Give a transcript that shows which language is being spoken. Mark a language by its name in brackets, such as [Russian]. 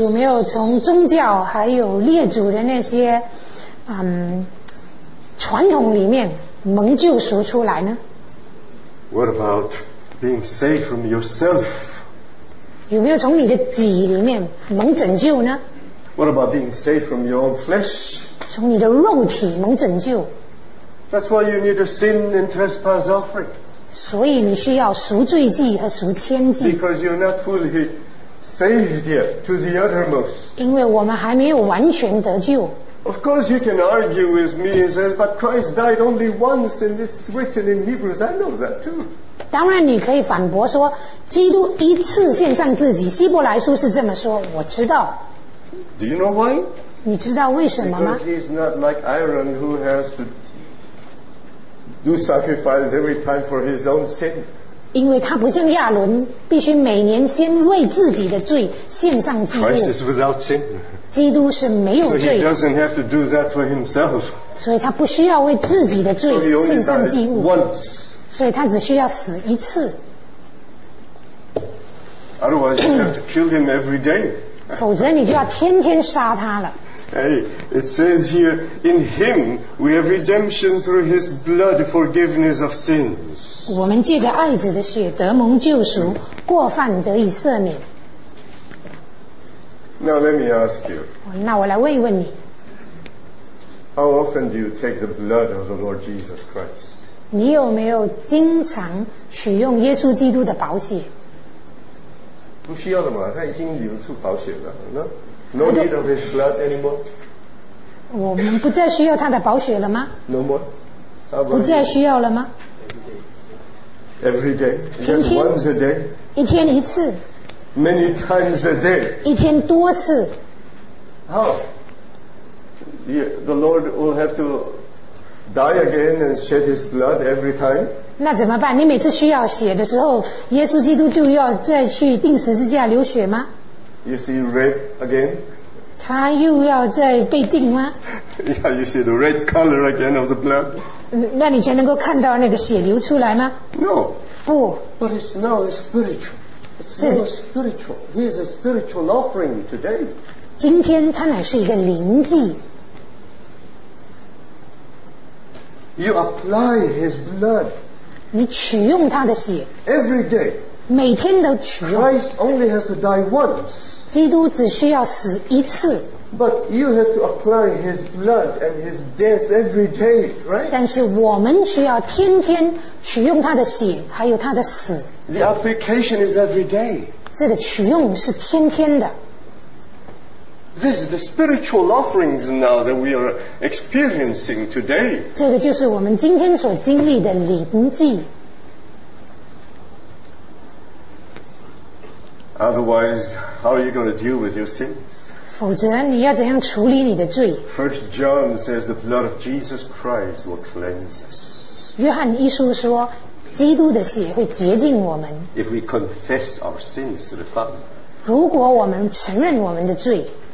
[Chinese] 有没有从宗教还有列祖的那些传统里面蒙救赎出来呢？ [English] What about being saved from yourself? [Chinese] 有没有从你的己里面蒙拯救呢？ [English] What about being saved from your own flesh? [Chinese] 从你的肉体蒙拯救。 [English] That's why you need a sin and trespass offering. [Chinese] 所以你需要赎罪祭和赎愆祭。 [English] Because you're not fully saved yet to the uttermost. [Chinese] 因为我们还没有完全得救。 [English] Of course you can argue with me and says, but Christ died only once and it's written in Hebrews. I know that too. [Chinese] 当然你可以反驳说，基督一次献上自己，希伯来书是这么说，我知道。 [English] Do you know why? [Chinese] 你知道为什么吗？ [English] Because he's not like Aaron who has to. Do sacrifice every time for his own sin. [Chinese] 因为他不像亚伦，必须每年先为自己的罪献上祭物。 [English] Christ is without sin. [Chinese] 基督是没有罪。 [English] So he doesn't have to do that for himself. [Chinese] 所以他不需要为自己的罪献上祭物。 [English] So he only died once. [Chinese] 所以他只需要死一次。 [English] Otherwise, you have to kill him every day. [Chinese] 否则你就要天天杀他了。 [English] Hey, it says here, in him we have redemption through his blood, forgiveness of sins. [Chinese] 我们借着爱子的血得蒙救赎，过犯得以赦免。 [English] Now let me ask you. [Chinese] 那我来问一问你。 [English] How often do you take the blood of the Lord Jesus Christ? [Chinese] 你有没有经常取用耶稣基督的宝血？不需要的嘛，他已经流出宝血了，那。 [English] No need of his blood anymore. [Chinese] 我们不再需要他的宝血了吗？ [English] No more. [Chinese] 不再需要了吗？ [English] Every day. Just once a day. [Chinese] 一天一次。 [English] Many times a day. [Chinese] 一天多次。 [English] How? The Lord will have to die again and shed his blood every time. [Chinese] 那怎么办？你每次需要血的时候，耶稣基督就要再去钉十字架流血吗？ [English] You see red again? [Chinese] 他又要再被钉吗？ [English] Yeah, you see the red color again of the blood. [Chinese] 那你才能够看到那个血流出来吗？ [English] No. [Chinese] 不。 [English] But it's now spiritual. It's now spiritual. He is a spiritual offering today. [Chinese] 今天他乃是一个灵祭。 [English] You apply his blood. [Chinese] 你取用他的血。 [English] Every day. [Chinese] 每天都取用。 [English] Christ only has to die once. [Chinese] 基督只需要死一次。 [English] But you have to apply his blood and his death every day, right? [Chinese] 但是我们需要天天取用他的血，还有他的死。 [English] The application is every day. [Chinese] 这个取用是天天的。 [English] This is the spiritual offerings now that we are experiencing today. [Chinese] 这个就是我们今天所经历的灵祭。 [English] Otherwise, how are you going to deal with your sins? [Chinese] 否则你要怎样处理你的罪？ [English] 1 John says the blood of Jesus Christ will cleanse us. [Chinese] 约翰一书说，基督的血会洁净我们。 [English] If we confess our sins to the Father, [Chinese] 如果我们承认我们的罪，